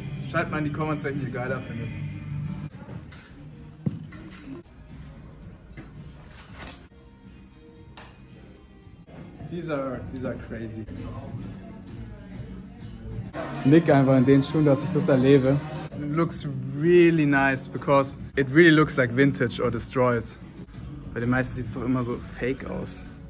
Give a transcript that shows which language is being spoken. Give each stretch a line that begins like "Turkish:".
German: Schreibt mal in die Comments, welchen ihr geiler findet.
English: These are crazy.
German: Nick einfach in den Schuhen, dass ich das erlebe.
English: It looks really nice because it really looks like vintage or destroyed.
German: Bei den meisten sieht es doch immer so fake aus.